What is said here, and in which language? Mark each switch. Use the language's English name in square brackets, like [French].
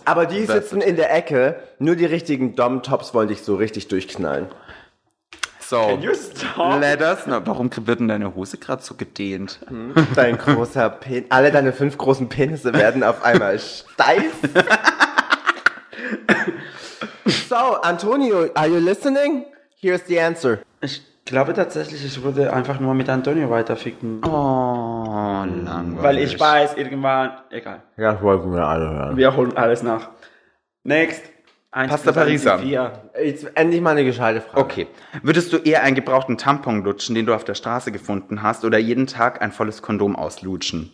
[German] Aber die Best sitzen in der Ecke. Nur die richtigen Dom-Tops wollen dich so richtig durchknallen. So. [English] Can you stop? Let us know. [German] Warum wird denn deine Hose gerade so gedehnt? Dein großer Penis. Alle deine 5 großen Penisse werden auf einmal steif. [English] So, Antonio, are you listening? Here's the answer. [German] Ich glaube tatsächlich, ich würde einfach nur mit Antonio weiterficken. Oh, langweilig. Weil ich weiß, irgendwann, egal. Das wollten wir alle hören. Wir holen alles nach. Next. Pasta Parisa. Jetzt endlich mal eine gescheite Frage. Okay. Würdest du eher einen gebrauchten Tampon lutschen, den du auf der Straße gefunden hast, oder jeden Tag ein volles Kondom auslutschen?